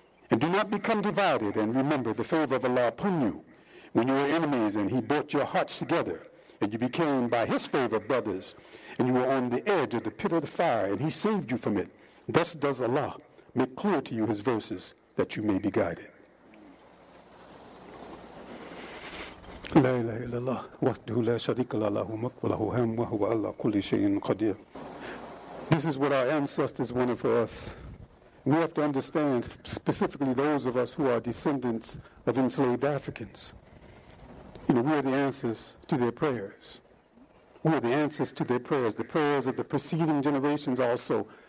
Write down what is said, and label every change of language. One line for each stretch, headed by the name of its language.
English: And do not become divided, and remember the favor of Allah upon you when you were enemies and he brought your hearts together and you became by his favor brothers and you were on the edge of the pit of the fire and he saved you from it. Thus does Allah make clear to you his verses that you may be guided.
Arabic: لا إله إلا الله وحده لا شريك له وله هم وهو على كل شيء قدير.
English: This is what our ancestors wanted for us. We have to understand, specifically those of us who are descendants of enslaved Africans. You know, we are the answers to their prayers. We are the answers to their prayers, the prayers of the preceding generations also.